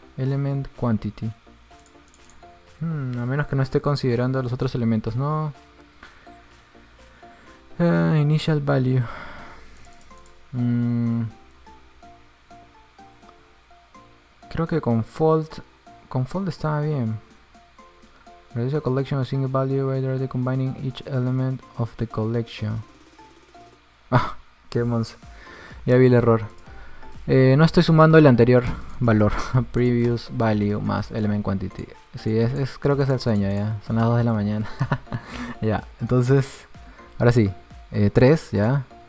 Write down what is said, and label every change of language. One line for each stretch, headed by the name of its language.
Spanish: Element quantity. A menos que no esté considerando los otros elementos, ¿no?
English: Initial value.
Spanish: Creo que con fold estaba bien.
English: Reduce a collection of single value by directly combining each element of the collection.
Spanish: Ah, qué monstruo. Ya vi el error. No estoy sumando el anterior valor. Previous value más element quantity. Sí, es creo que es el sueño ya. Son las 2 de la mañana. Ya, entonces. Ahora sí. 3, ya.